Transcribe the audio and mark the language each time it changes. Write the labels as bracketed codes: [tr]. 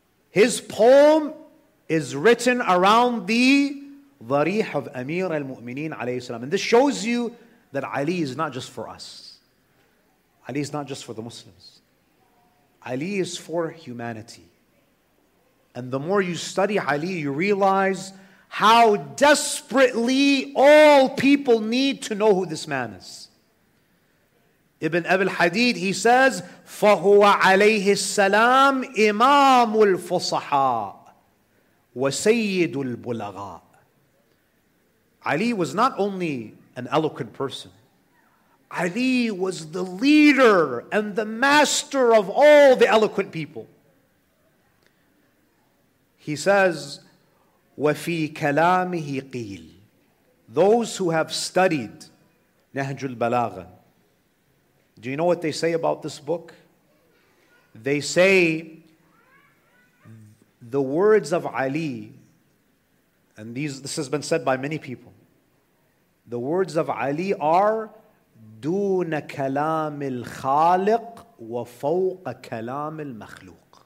[en] His poem is written around the dharih of Amir al-Mu'mineen alayhi salam. And this shows you that Ali is not just for us. Ali is not just for the Muslims. Ali is for humanity. And the more you study Ali, you realize how desperately all people need to know who this man is. [ar] Ibn Abi al-Hadid, [en] he says, [ar] فَهُوَ عَلَيْهِ السَّلَامُ إِمَامُ الْفُصَحَاءُ وَسَيِّدُ الْبُلَغَاءُ. [en] Ali was not only an eloquent person. Ali was the leader and the master of all the eloquent people. He says, [ar] وَفِي كَلَامِهِ قِيلٌ. [en] Those who have studied Nahjul Balagha, do you know what they say about this book? They say the words of Ali, and this has been said by many people, the words of Ali are [ar] دون كلام الخالق وفوق كلام المخلوق.